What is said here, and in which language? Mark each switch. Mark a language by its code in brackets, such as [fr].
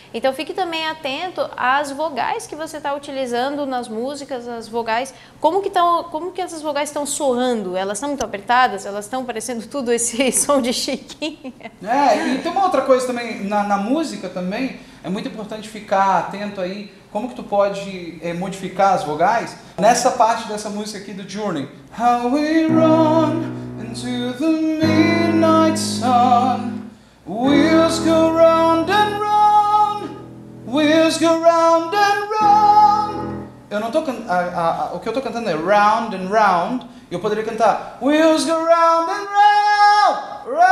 [pt] Então fique também atento às vogais que você está utilizando nas músicas, as vogais, como que essas vogais estão soando? Elas estão muito apertadas? Elas estão parecendo tudo esse som de chiquinha? E tem uma outra coisa também, na música também, é muito importante ficar atento aí, como que tu pode modificar as vogais. Nessa parte dessa música aqui do Journey. [en] How we run into the midnight sun. Wheels go round and round. Wheels go round and round. [pt] Eu não tô cantando. O que eu tô cantando é round and round. Eu poderia cantar [en] Wheels go round and round.